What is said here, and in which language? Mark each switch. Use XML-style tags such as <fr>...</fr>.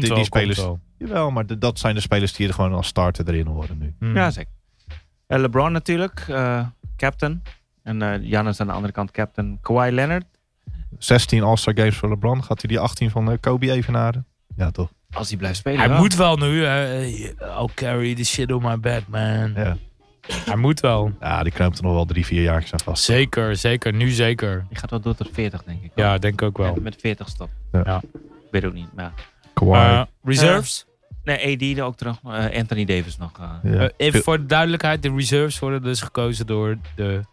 <nl>die spelers. Jawel, maar dat zijn de spelers die er gewoon als starter erin horen nu. Hmm. Ja, zeker. LeBron natuurlijk, captain. En Giannis aan de andere kant captain. Kawhi Leonard. 16 All-Star Games voor LeBron. Gaat hij die 18 van Kobe evenaren? Ja, toch? Als hij blijft spelen. Hij moet wel nu.</nl> <en>I'll carry the shit on my back, man.</en> <nl>Ja. Hij moet wel. Ja, die knoopt er nog wel 3-4 jaar aan vast. Zeker. Nu zeker. Die gaat wel door tot 40, denk ik. Ja, denk ik ook wel. Met 40 stop. Ja. Weet ook niet, maar... Kawhi. Reserves? Nee, AD er ook terug. Anthony Davis nog. Even voor de duidelijkheid. De reserves worden dus gekozen door de...</nl>